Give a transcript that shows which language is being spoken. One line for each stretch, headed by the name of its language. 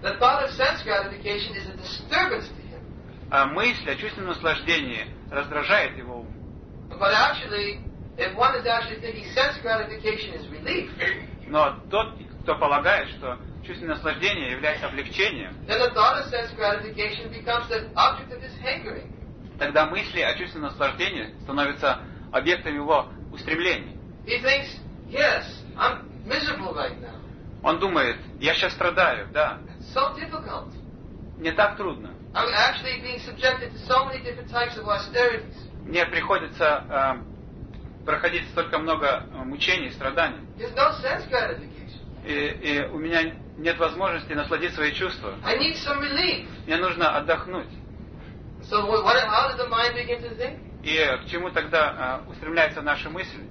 English: The thought of sense gratification is a disturbance to him.
Russian: А мысль о чувственном наслаждении раздражает его ум.
English: But actually, if one is actually thinking sense gratification is relief,
Russian: но тот, кто полагает, что чувственное наслаждение является облегчением,
English: then the thought of sense gratification becomes the object of his hankering.
Russian: Тогда мысли о чувственном наслаждении становятся объектом его устремлений.
English: He thinks, yes, I'm miserable right now.
Russian: Он думает, я сейчас страдаю, да.
English: It's so difficult.
Russian: Мне так трудно.
English: I'm actually being subjected to so many different types of austerities.
Russian: Мне приходится проходить столько много мучений, страданий.
English: There's no sense gratification.
Russian: И у меня нет возможности насладить свои чувства.
English: I need some relief.
Russian: Мне нужно отдохнуть.
English: So what, how does the mind begin to think?
Russian: И к чему тогда устремляется наша мысль?